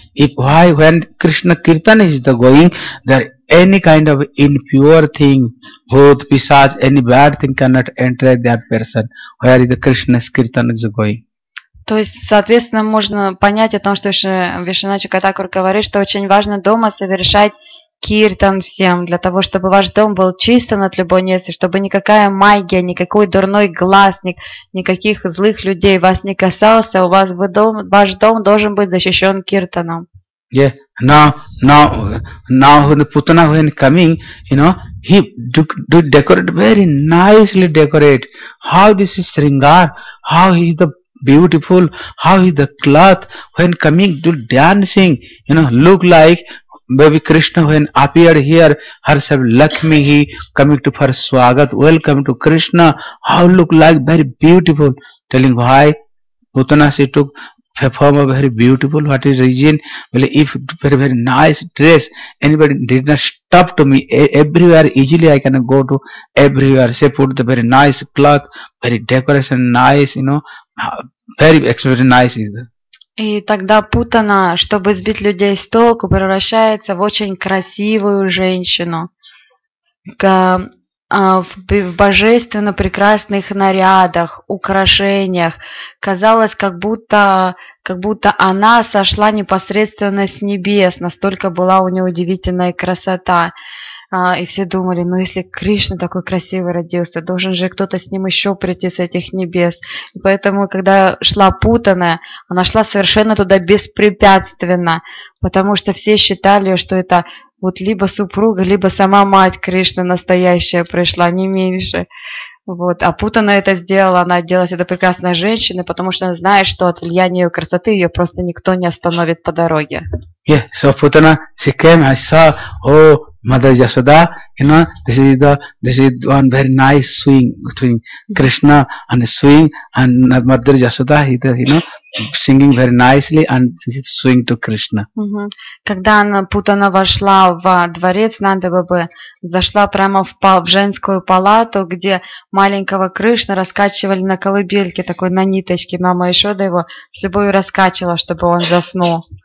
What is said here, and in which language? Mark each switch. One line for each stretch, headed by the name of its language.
English: If why when Krishna kirtan is the going, there any kind of impure thing, bhut, pisaj, any bad thing cannot enter that person. Where the Krishna's kirtan is going.
Russian: То есть, соответственно, можно понять о том, что Вишванатха Чакравартакур говорит, что очень важно дома совершать киртан всем, для того, чтобы ваш дом был чистым от любой нечисти, чтобы никакая магия, никакой дурной глаз, никаких злых людей вас не касался, у вас бы дом, ваш дом должен быть защищен киртаном.
English: Yeah, now when Putana when coming, you know, he do decorate very nicely decorate. How this is Sringar, how he is the beautiful, how he is the cloth, when coming, do dancing, you know, look like baby Krishna, when appeared here, herself Lakshmi, he coming to for swagat, welcome to Krishna, how look like very beautiful, telling why Putana she took a form of very beautiful, what is reason, well, if very very nice dress, anybody did not stop to me, everywhere easily I can go to everywhere, she put the very nice cloth, very decoration, nice, you know, very extremely nice.
Russian: И тогда Путана, чтобы сбить людей с толку, превращается в очень красивую женщину, в божественно прекрасных нарядах, украшениях. Казалось, как будто она сошла непосредственно с небес, настолько была у нее удивительная красота. И все думали, ну если Кришна такой красивый родился, должен же кто-то с ним еще прийти с этих небес. И поэтому, когда шла Путана, она шла совершенно туда беспрепятственно, потому что все считали, что это вот либо супруга, либо сама мать Кришны настоящая пришла, не меньше. Вот. А Путана это сделала, она оделась этой прекрасной женщиной, потому что она знает, что от влияния ее красоты ее просто никто не остановит по дороге.
English: Yeah, so Putana, she came, I saw, oh, Mother Yasoda, you know, this is one very nice swing between Krishna and swing, and Mother Yasoda, singing very nicely and swing to Krishna.
Russian: Когда Путана вошла в дворец Нандабабы, зашла прямо в женскую палату, где маленького Кришна раскачивали на колыбельке, такой на ниточке, мама Ишода его с любовью раскачивала, чтобы он заснул.